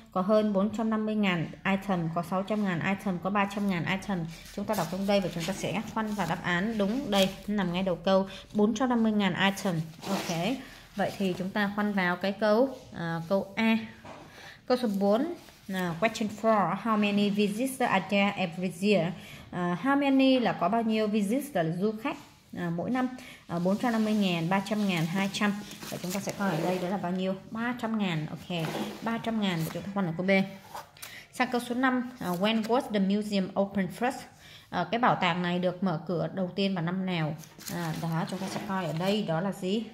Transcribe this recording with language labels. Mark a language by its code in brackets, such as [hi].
[vi] Có hơn 450.000 item, có 600.000 item, có 300.000 item. Chúng ta đọc trong đây và chúng ta sẽ khoanh vào đáp án đúng đây, nằm ngay đầu câu 450.000 item. Ok, vậy thì chúng ta khoanh vào cái câu câu A. Câu số 4. [en] Question 4. How many visitors are there every year? How many [vi] là có bao nhiêu visitors, là du khách mỗi năm? 450.000, 300.000, 200. Và chúng ta sẽ coi ở đây đó là bao nhiêu? 300.000, ok. 300.000, chúng ta còn ở câu B. Sang câu số 5. [en] When was the museum opened first? [vi] Cái bảo tàng này được mở cửa đầu tiên vào năm nào? Đó, chúng ta sẽ coi ở đây đó là gì?